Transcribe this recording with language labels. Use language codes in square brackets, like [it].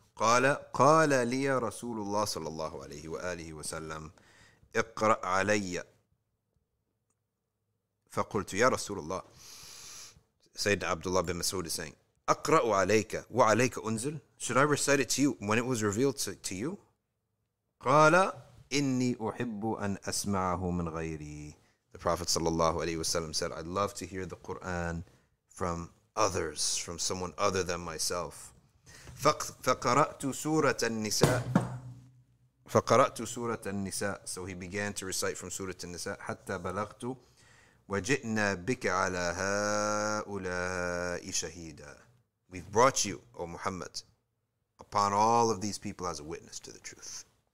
[ar] قال لي رسول الله صلى الله عليه وآله وسلم اقرأ علي فقلت يا رسول الله سيدنا عبد الله بن مسعود [en] is saying [ar] اقرأ عليك وعليك أنزل. [en] Should I recite it to you when it was revealed to you? [ar] قال إني أحب أن أسمعه من غيري. [en] The Prophet صلى الله عليه وسلم said, I'd love to hear the Quran from others, from someone other than myself. [ar] فقرأت سورة النساء. [en] So he began to recite from Surah An Nisa. [ar] حتى بلغت وجئنا بك على هؤلاء شهيدا. [en] We've brought you, O Muhammad, upon all of these people as a witness to the truth.